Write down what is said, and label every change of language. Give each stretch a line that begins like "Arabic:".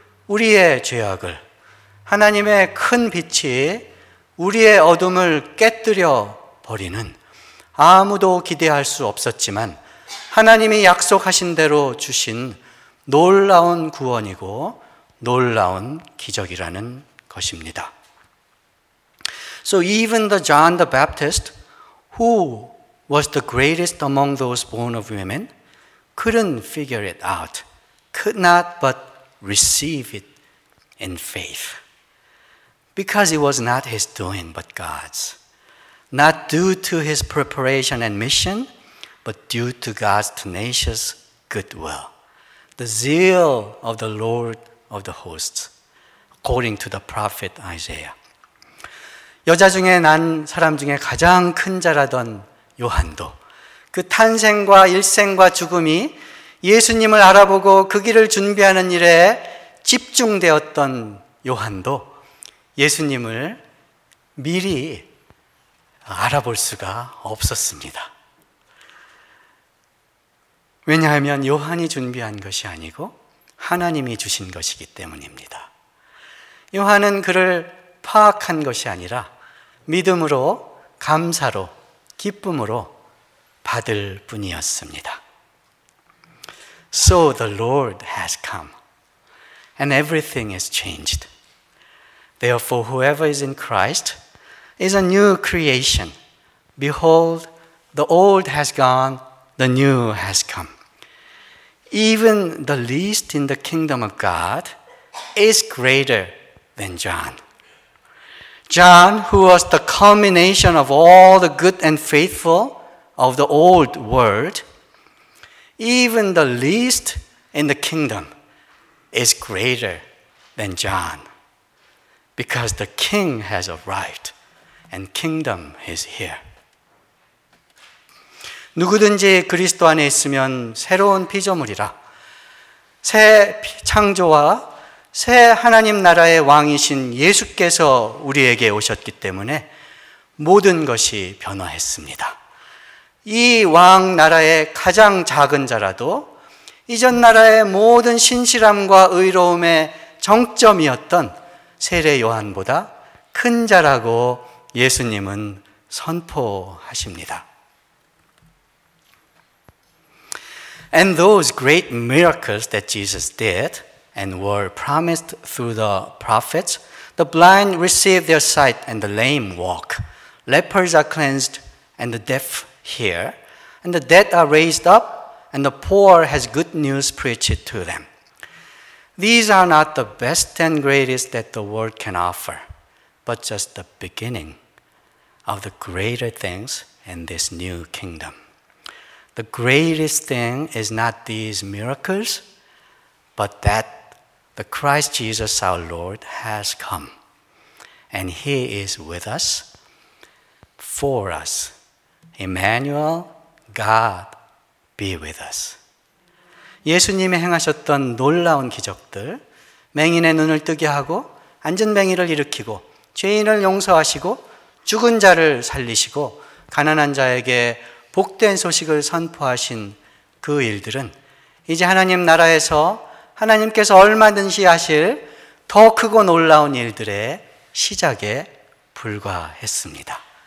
Korean: 우리의 죄악을, 하나님의 큰 빛이 우리의 어둠을 깨뜨려 버리는, 아무도 기대할 수 없었지만 하나님이 약속하신 대로 주신 놀라운 구원이고 놀라운 기적이라는 것입니다.
English: So even the John the Baptist, who was the greatest among those born of women, couldn't figure it out, could not but receive it in faith. Because it was not his doing, but God's. Not due to his preparation and mission, but due to God's tenacious goodwill. The zeal of the Lord of the hosts, according to the prophet Isaiah.
Korean: 여자 중에 난 사람 중에 가장 큰 자라던 요한도 그 탄생과 일생과 죽음이 예수님을 알아보고 그 길을 준비하는 일에 집중되었던 요한도 예수님을 미리 알아볼 수가 없었습니다. 왜냐하면 요한이 준비한 것이 아니고 하나님이 주신 것이기 때문입니다. 요한은 그를 파악한 것이 아니라 믿음으로, 감사로, 기쁨으로 받을 뿐이었습니다.
English: So the Lord has come, and everything is changed. Therefore, whoever is in Christ is a new creation. Behold, the old has gone, the new has come. Even the least in the kingdom of God is greater than John. John, who was the culmination of all the good and faithful of the old world, even the least in the kingdom is greater than John, because the king has arrived and kingdom is here.
Korean: 누구든지 그리스도 안에 있으면 새로운 피조물이라 새 창조와 새 하나님 나라의 왕이신 예수께서 우리에게 오셨기 때문에 모든 것이 변화했습니다. 이 왕 나라의 가장 작은 자라도 이전 나라의 모든 신실함과 의로움의 정점이었던 세례 요한보다 큰 자라고 예수님은 선포하십니다.
English: And those great miracles that Jesus did and were promised through the prophets, the blind receive their sight and the lame walk. Lepers are cleansed and the deaf hear, and the dead are raised up, and the poor has good news preached to them. These are not the best and greatest that the world can offer, but just the beginning of the greater things in this new kingdom. The greatest thing is not these miracles, but that the Christ Jesus our Lord has come, and he is with us, for us. Emmanuel, God be with us.
Korean: 예수님이 행하셨던 놀라운 기적들, 맹인의 눈을 뜨게 하고 앉은뱅이를 일으키고 죄인을 용서하시고 죽은 자를 살리시고 가난한 자에게 복된 소식을 선포하신 그 일들은 이제 하나님 나라에서 하나님께서 얼마든지 하실 더 크고 놀라운 일들의 시작에 불과했습니다.